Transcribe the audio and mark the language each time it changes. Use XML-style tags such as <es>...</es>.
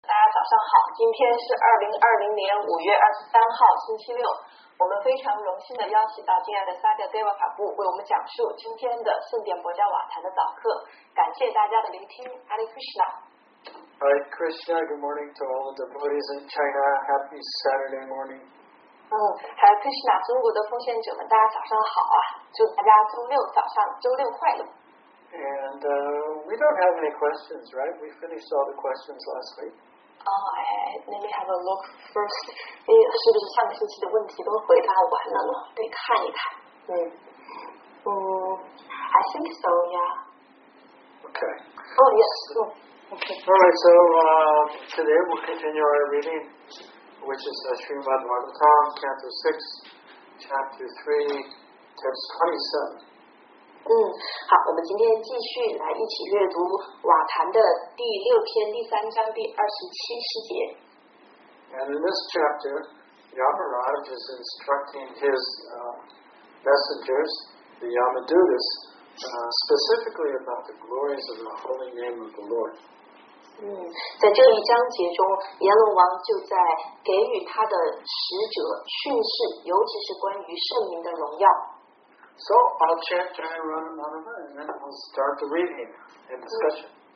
<zh>早上好，今天是2020年5月23号，星期六。我们非常荣幸地邀请到敬爱的萨迦戴瓦卡布为我们讲述今天的圣典博加瓦坛的早课。感谢大家的聆听 ，Hare Krishna。</zh> <en>Hare Krishna, good morning to all the devotees in China. Happy Saturday morning.</en> <zh>Hare Krishna, 中国的奉献者们，大家早上好啊！祝大家周六早上周六快乐。</zh> <en>And we don't have any questions, right? We finished all the questions last week. Let me have a look first.</en> <zh>哎，是不是上个星期的问题都回答完了呢？得看一看。</zh> <en>I think so, yeah. Okay. Oh, yes. So, okay. All right, so today we'll continue our reading, which is the Srimad Bhagavatam, Chapter 6, Chapter 3, Text 27.</en> <zh>好，我们今天继续来一起阅读瓦坛的第六篇第三章第27节。</zh> <en>And in this chapter, Yamaraj is instructing his messengers, the Yamadutas, specifically about the glories of the holy name of the Lord.</en> <zh>在这一章节中，阎罗王就在给予他的使者训示，尤其是关于圣名的荣耀。</zh> <en>So I'll chant Jayaranamanava and then we'll start the reading and discussion.</en>